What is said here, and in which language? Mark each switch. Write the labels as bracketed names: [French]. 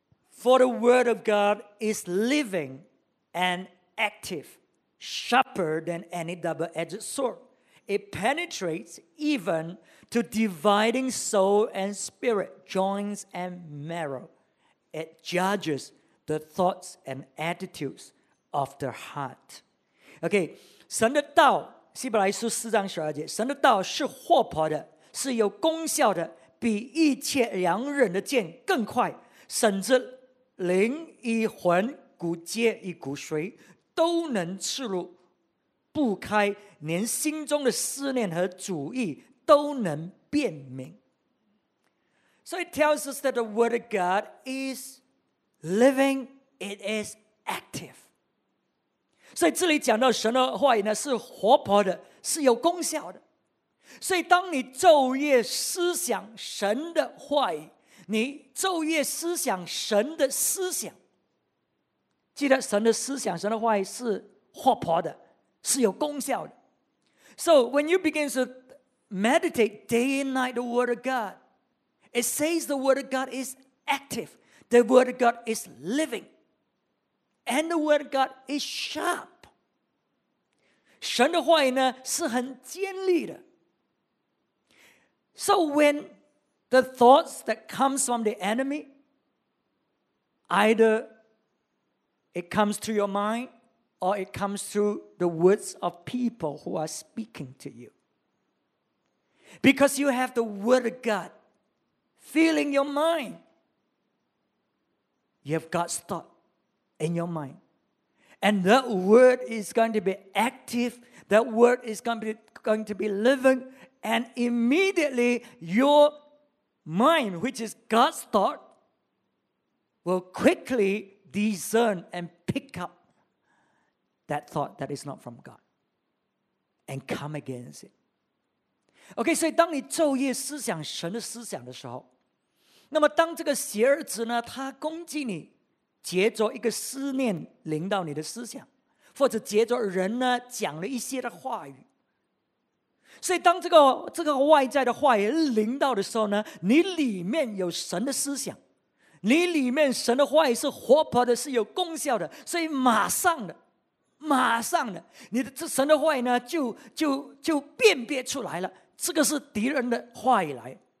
[English] For the word of God is living and active, sharper than any double-edged sword. It penetrates even to dividing soul and spirit, joints and marrow. It judges the thoughts and attitudes of the heart. [Chinese] Okay, 神的道，希伯来书四章十二节，神的道是活泼的，是有功效的，比一切两刃的剑更快，甚至灵与魂、骨节与骨髓都能刺入，不开，连心中的思念和主意都能辨明。 [English] So it tells us that the word of God is living, it is active. [Chinese] 所以这里讲到神的话语呢，是活泼的，是有功效的。所以当你昼夜思想神的话语，你昼夜思想神的思想，记得神的思想，神的话语是活泼的，是有功效的。 [English] So when you begin to meditate day and night the word of God, it says the word of God is active, the word of God is living, and the word of God is sharp. [Chinese] 神的话语呢是很尖利的。 [English] So when the thoughts that comes from the enemy, either it comes to your mind or it comes through the words of people who are speaking to you. Because you have the word of God filling your mind, you have God's thought in your mind. And that word is going to be active, that word is going to be living, and immediately your mind, which is God's thought, will quickly discern and pick up that thought that is not from God and come against it. [Chinese] OK, 所以当你昼夜思想神的思想的时候，那么当这个邪儿子呢，他攻击你，藉着一个思念临到你的思想，或者藉着人呢讲了一些的话语，所以当这个外在的话语临到的时候呢，你里面有神的思想，你里面神的话语是活泼的，是有功效的，所以马上的你的这神的话语呢就辨别出来了，这个是敌人的话语来。